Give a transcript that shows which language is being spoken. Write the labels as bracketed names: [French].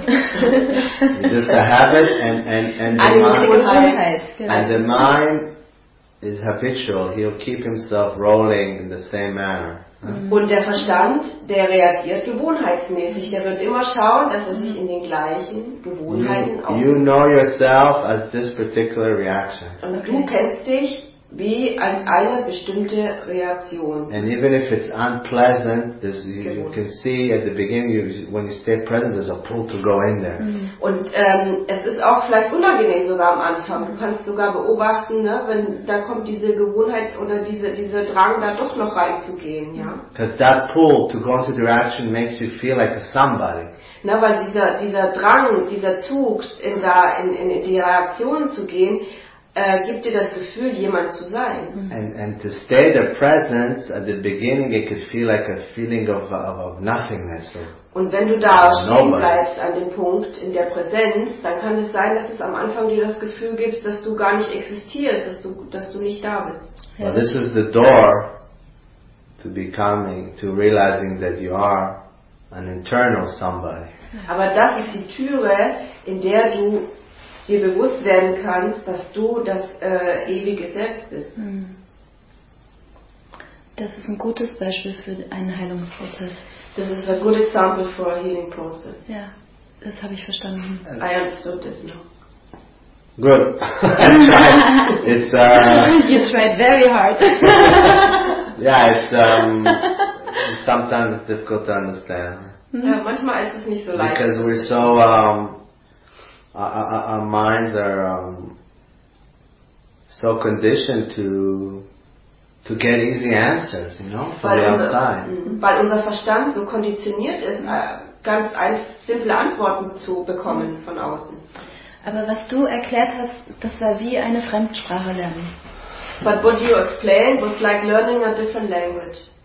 [English] It's just a habit and the mind is habitual. He'll keep himself rolling in the same manner. [German] Und der Verstand, der reagiert gewohnheitsmäßig. Der wird immer schauen, dass sich in den gleichen Gewohnheiten aufhält. [English] You know yourself as this particular reaction. [German] Und du kennst dich wie als eine bestimmte Reaktion. [English] And even if it's unpleasant, you can see at the beginning, when you stay present, there's a pull to go in there. [German] Und es ist auch vielleicht unangenehm sogar am Anfang. Du kannst sogar beobachten, ne, wenn da kommt diese Gewohnheit oder dieser Drang, da doch noch reinzugehen, ja. [English] Because that pull to go into the reaction makes you feel like a somebody. [German] Na, weil dieser Drang, dieser Zug in die Reaktion zu gehen. Gibt dir das Gefühl, jemand zu sein. [English] And to stay the presence at the beginning, it could feel like a feeling of nothingness. [German] Und wenn du da stehen bleibst an dem Punkt in der Präsenz, dann kann es sein, dass es am Anfang dir das Gefühl gibt, dass du gar nicht existierst, dass du nicht da bist. [English] Well, this is the door to becoming, to realizing that you are an internal somebody. [German] Aber das ist die Türe, in der du dir bewusst werden kannst, dass du das ewige Selbst bist. Das ist ein gutes Beispiel für einen Heilungsprozess. [English] This is a good example for a healing process. [German] Ja, yeah, das habe ich verstanden. [English] I understood this now. Good. You tried very hard. Yeah, it's sometimes difficult to understand. [German] Ja, manchmal ist es nicht so leicht. [English] Because we're so our minds are so conditioned to get easy answers, you know, from the outside. [German] Weil unser Verstand so konditioniert ist, ganz simple Antworten zu bekommen von außen. Aber was du erklärt hast, das war wie eine Fremdsprache lernen. [English] But what you explained was like learning a different language.